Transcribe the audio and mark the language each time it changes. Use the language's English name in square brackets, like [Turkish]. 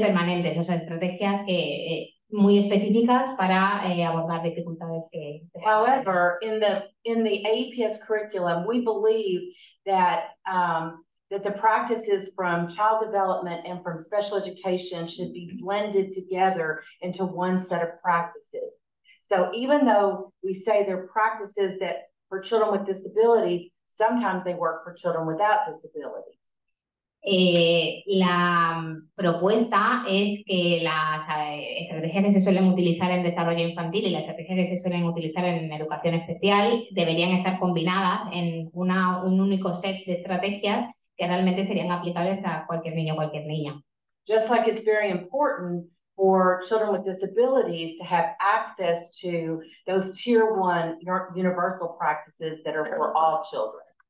[Spanish] permanentes, o sea, estrategias que muy específicas para abordar dificultades que. [English] However, in the AEPS curriculum, we believe that that the practices from child development and from special education should be blended together into one set of practices. So even though we say they're practices that for children with disabilities, sometimes they work for children without disabilities. [Spanish] La propuesta es que las estrategias que se suelen utilizar en desarrollo infantil y las estrategias que se suelen utilizar en educación especial deberían estar combinadas en un único set de estrategias que realmente serían aplicables a cualquier niño o cualquier niña. [English] Just like it's very important for children with disabilities to have access to those tier one universal practices that are for all children.